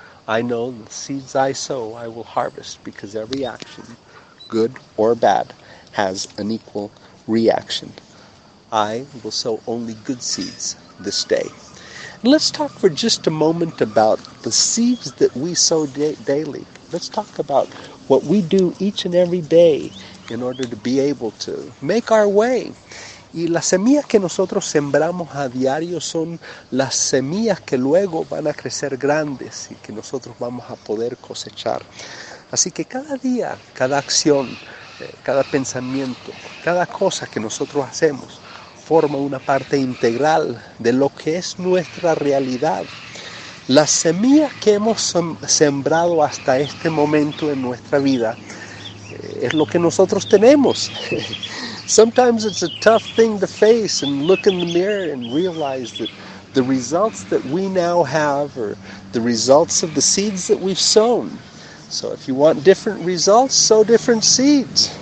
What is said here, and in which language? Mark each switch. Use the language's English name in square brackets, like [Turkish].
[English] I know the seeds I sow I will harvest, because every action, good or bad, has an equal reaction. I will sow only good seeds this day. And let's talk for just a moment about the seeds that we sow daily. Let's talk about what we do each and every day in order to be able to make our way. [Spanish] Y las semillas que nosotros sembramos a diario son las semillas que luego van a crecer grandes y que nosotros vamos a poder cosechar. Así que cada día, cada acción, cada pensamiento, cada cosa que nosotros hacemos forma una parte integral de lo que es nuestra realidad. Las semillas que hemos sembrado hasta este momento en nuestra vida es lo que nosotros tenemos. [English] Sometimes it's a tough thing to face and look in the mirror and realize that the results that we now have are the results of the seeds that we've sown. So if you want different results, sow different seeds.